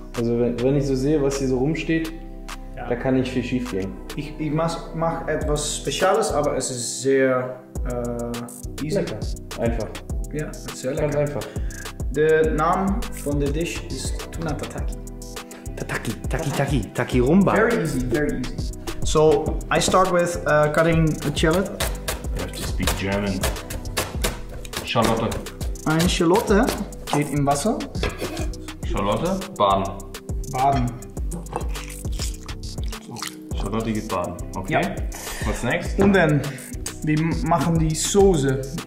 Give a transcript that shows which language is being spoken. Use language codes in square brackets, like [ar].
[de] Also wenn ich so sehe, was hier so rumsteht, ja, da kann nicht viel schief gehen. Ich mach etwas Spezielles, aber es ist sehr easy. Lecker. Einfach. Ja, sehr lecker. Ganz einfach. Der Name von der Dish ist Tuna Tataki. Tataki, Taki, Taki, Taki Rumba. [en] Very easy, very easy. So, I start with cutting a shallot. You have to speak German. [de] Schalotte. Eine Schalotte geht im Wasser. Schalotte, baden. Baden. Schalotte geht baden. Okay. Ja. [en] What's next? [de] Und dann, wir machen die Soße.